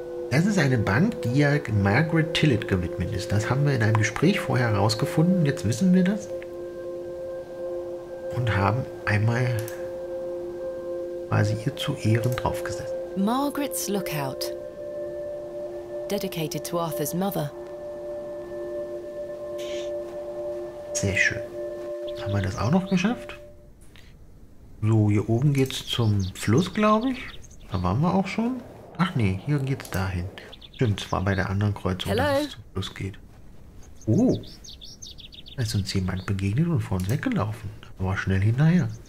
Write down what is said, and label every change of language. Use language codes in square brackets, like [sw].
[de] Das ist eine Bank, die ja Margaret Tillett gewidmet ist. Das haben wir in einem Gespräch vorher herausgefunden. Jetzt wissen wir das. Und haben einmal quasi ihr zu Ehren draufgesetzt. [en] Margaret's Lookout. Dedicated to Arthur's mother. [de] Sehr schön. Haben wir das auch noch geschafft? So, hier oben geht's zum Fluss, glaube ich. Da waren wir auch schon. Ach nee, hier geht's dahin. Stimmt, zwar bei der anderen Kreuzung, [en] Hello. [de] Dass es zum Fluss geht. Oh, da ist uns jemand begegnet und vor uns weggelaufen. Aber schnell hinterher.